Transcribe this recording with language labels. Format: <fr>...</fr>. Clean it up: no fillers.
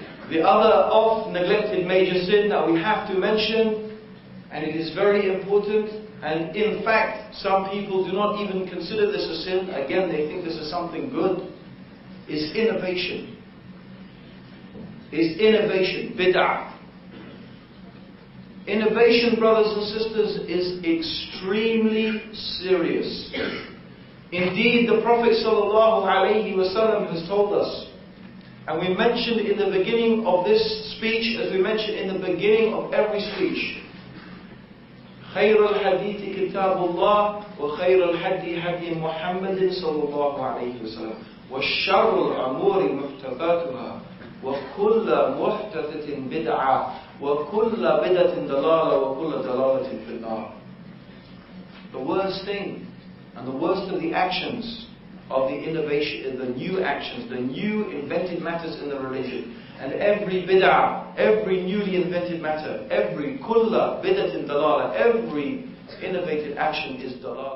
<en>The other often neglected major sin that we have to mention, and it is very important, and in fact, some people do not even consider this a sin, again, they think this is something good, is innovation. Is innovation, bid'ah. Innovation, brothers and sisters, is extremely serious. Indeed, the Prophet ﷺ has told us, and we mentioned in the beginning of this speech, as we mentioned in the beginning of every speech,</en> <ar>خير الحديث كتاب الله وخير الحدي حدي محمد صلى الله عليه وسلم وشر الأمور محدثاتها وكل محدثة بدعة وكل بدعة ضلالة وكل ضلالة في النار.</ar> <en>The worst thing and the worst of the actions of the innovation, the new actions, the new invented matters in the religion, and every bid'ah, every newly invented matter, every</en> <ar>kulla bid'atin dalala,</ar> <en>every innovated action is dalala.</en>